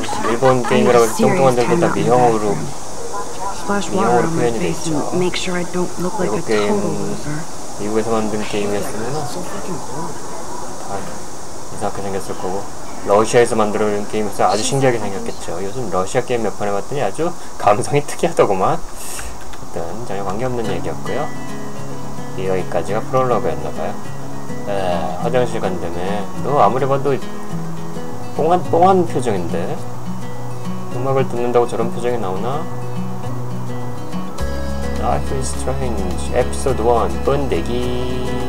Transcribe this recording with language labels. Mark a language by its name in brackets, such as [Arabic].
[Korean] 일본 게임이라고 뚱뚱한 애들도 다 미형으로. [English] Splash water on my face and make sure I don't look like a total loser. [Korean] 미국에서 만든 게임이었으면 다 이상하게 생겼을 거고, 러시아에서 만들어낸 게임이었으면 아주 신기하게 생겼겠죠. 요즘 러시아 게임 몇 번 해봤더니 아주 감성이 특이하더구만. 어떤 전혀 관계없는 얘기였고요. 여기까지가 프롤로그였나봐요. 화장실 간다며 너 아무리 봐도 뽕한 표정인데 음악을 듣는다고 저런 표정이 나오나? Life is Strange, Episode 1, 번데기.